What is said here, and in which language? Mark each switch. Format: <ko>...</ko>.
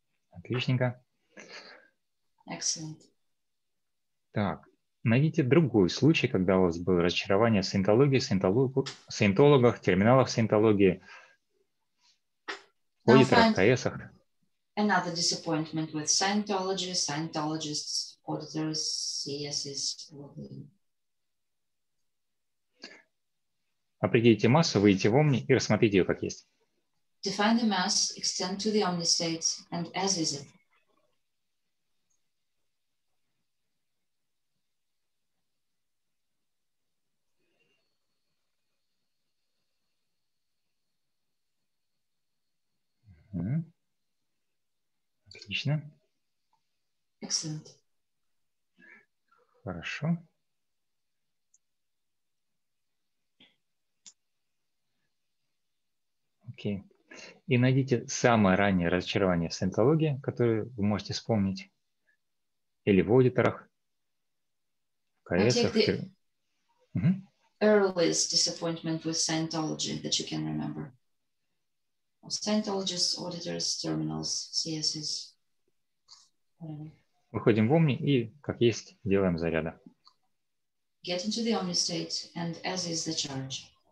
<ru>Отличненько.</ru> <en>Excellent.</en> <ru>Так, найдите другой случай, когда у вас было разочарование в саентологии, саентологах, терминалах саентологии, аудиторах, КС-ах.</ru> <en>Another disappointment with Scientology, Scientologists, auditors, CSs, probably.</en> <ru>Определите массу, выйдите в Omni и рассмотрите ее как есть.</ru> <en>Define the mass, extend to the Omni state, and as is it.</en> <ru>Отлично.</ru> <en>Excellent.</en> <ru>Хорошо.</ru> <en>Окей.</en> <ru>И найдите самое раннее разочарование в саентологии, которое вы можете вспомнить, или в аудиторах, в КСах.</ru> <en>The earliest disappointment with Scientology that you can remember. Scientologists, auditors, terminals, CSs.</en> <ru>Выходим в Omni и, как есть, делаем заряда.</ru> <en>Get into the Omni state and as is the charge.</en>